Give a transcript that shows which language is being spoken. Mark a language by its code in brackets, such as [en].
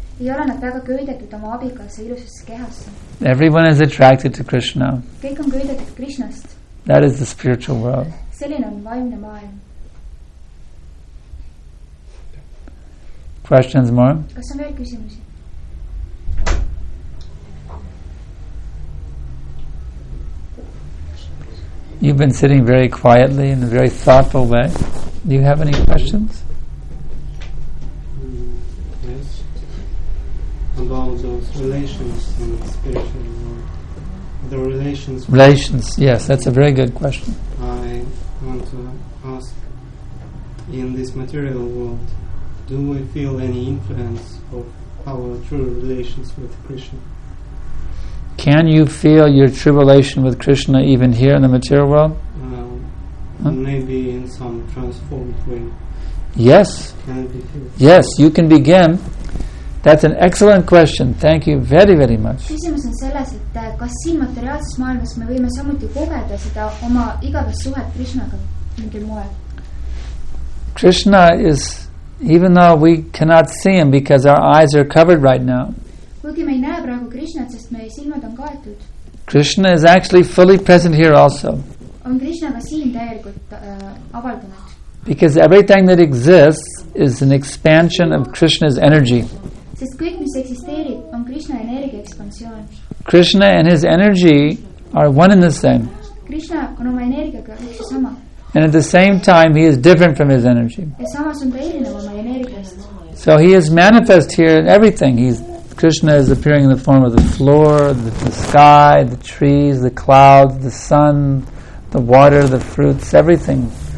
[et] ei ole nad väga köidetud oma abikaasa ilusesse kehasse. [en] Everyone is attracted to Krishna. [et] Kõik on köidetud Krishnast. [en] That is the spiritual world. [et] Selline on vaimne maailm. [en] Questions more? [et] Kas on veel küsimusi? [en] You've been sitting very quietly in a very thoughtful way. Do you have any questions? Yes. About those relations in the spiritual world. The relations. Relations, yes, that's a very good question. I want to ask, in this material world, do we feel any influence of our true relations with Krishna? Can you feel your true relation with Krishna even here in the material world? Maybe in some transformed way. Yes. Can it be here? Yes, you can begin. That's an excellent question. Thank you very, very much. [et] Küsimus on selles, et kas siin materiaalses maailmas me võime samuti kogeda seda oma igavest suhet Krishnaga mingil moel? [en] Krishna is, even though we cannot see him because our eyes are covered right now, [et] kuigi me ei näe praegu Krishnat, sest meie silmad on kaetud. [en] Krishna is actually fully present here also. [et] On Krishna ka siin täielikult avaldunud. [en] Because everything that exists is an expansion of Krishna's energy. [et] Sest kõik, mis eksisteerib, on Krishna energia ekspansioon. [en] Krishna and his energy are one and the same. [et] Krishna on oma energiaga üks sama. [en] And at the same time, he is different from his energy. [et] Ja samas on ta erinev oma energiast. [en] So he is manifest here in everything. Krishna is appearing in the form of the floor, the sky, the trees, the clouds, the sun, the water, the fruits, everything.